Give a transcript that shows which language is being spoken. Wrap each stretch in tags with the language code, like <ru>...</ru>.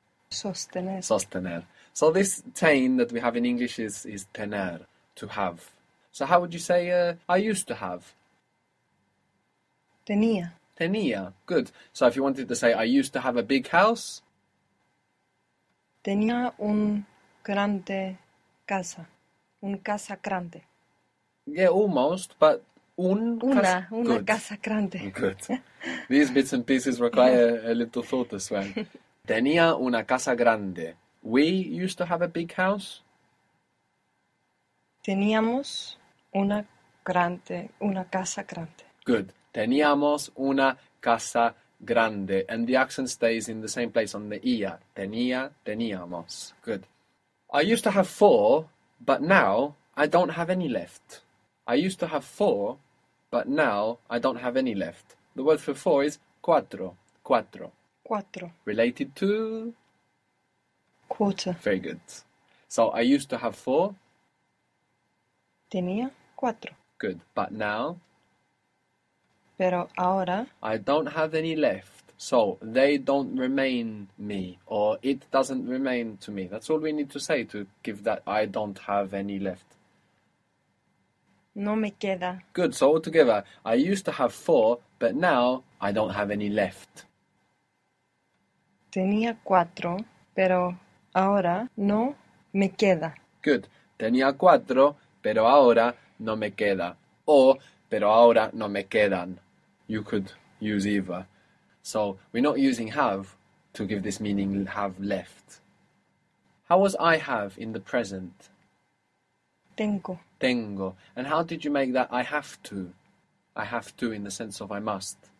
<es>Sostener. Sostener.</es> <en>So this tain that we have in English is tener, to have. So how would you say I used to have?</en> <es>Tenía. Tenía.</es> <en>Good. So if you wanted to say I used to have a big house.</en> <es>Tenía un grande casa, un casa grande.</es> <en>Yeah, almost, but</en> <es>un casa. Una</es> <en>Good.</en> <es>casa grande.</es> <en>Good. These bits and pieces require a little thought as well.</en> <es>Tenía una casa grande.</es> <en>We used to have a big house.</en> <es>Teníamos una grande, una casa grande.</es> <en>Good.</en> <es>Teníamos una casa grande.</es> <en>And the accent stays in the same place on the ia.</en> <es>Tenía, teníamos.</es> <en>Good. I used to have four, but now I don't have any left. I used to have four, but now I don't have any left. The word for four is cuatro. Cuatro.</en> <es>Cuatro.</es> <en>Related to. Quarter. Very good. So I used to have four.</en> <es>Tenía cuatro.</es> <en>Good. But now</en> <es>Pero ahora.</es> <en>I don't have any left. So they don't remain me, or it doesn't remain to me. That's all we need to say to give that I don't have any left.</en> <es>No me queda.</es> <en>Good. So altogether, I used to have four, but now I don't have any left.</en> <es>Tenía cuatro, pero ahora no me queda.</es> <en>Good.</en> <es>Tenía cuatro, pero ahora no me queda. O, pero ahora no me quedan.</es> <en>You could use either. So, we're not using have to give this meaning have left. How was I have in the present?</en> <es>Tengo. Tengo.</es> <en>And how did you make that I have to? I have to in the sense of I must.</en>